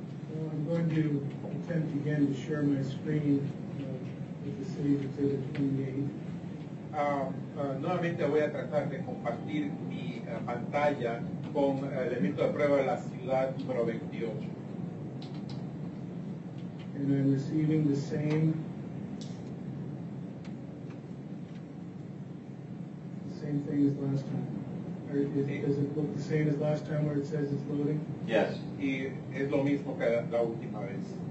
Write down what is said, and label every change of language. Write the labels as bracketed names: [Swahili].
[English] Well, I'm going to attempt again to share my screen with the city of Exhibit 28. [Spanish] Nuevamente voy a tratar de compartir mi pantalla con elemento de prueba de la ciudad número 28. [English] And I'm receiving the same. Same thing as last time. Or does it look the same as last time where it says it's loading? Yes. [Spanish] Y es lo mismo que la última vez.